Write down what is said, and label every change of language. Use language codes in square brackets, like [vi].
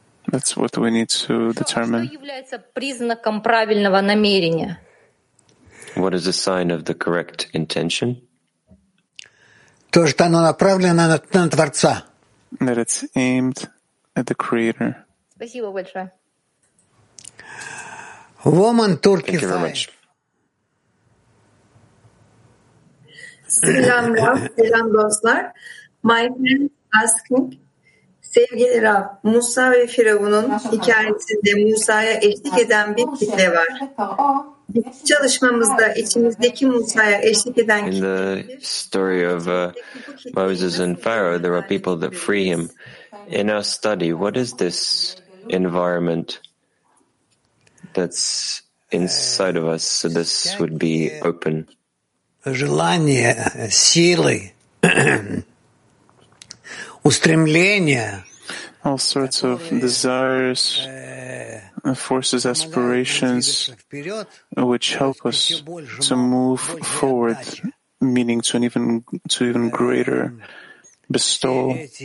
[en] That's what we need to determine. What is a sign of the correct intention? [ru] То, что оно направлено на Творца. [en] That it's aimed at the Creator. [ru] Спасибо большое. [en] Woman Turkey Five. Thank you very much. [tr] Selam Rav, selam dostlar. [en] My friend asking, [tr] sevgili Rav, Musa ve Firavun'un hikayesinde Musa'ya eşlik eden bir kitle var. [en] In the story of Moses and Pharaoh, there are people that free him. In our study, what is this environment that's inside of us so this would be open? [ru] Желание, силы, устремление. [en] All sorts of desires, forces, aspirations, which help us to move forward, meaning to even greater bestowal.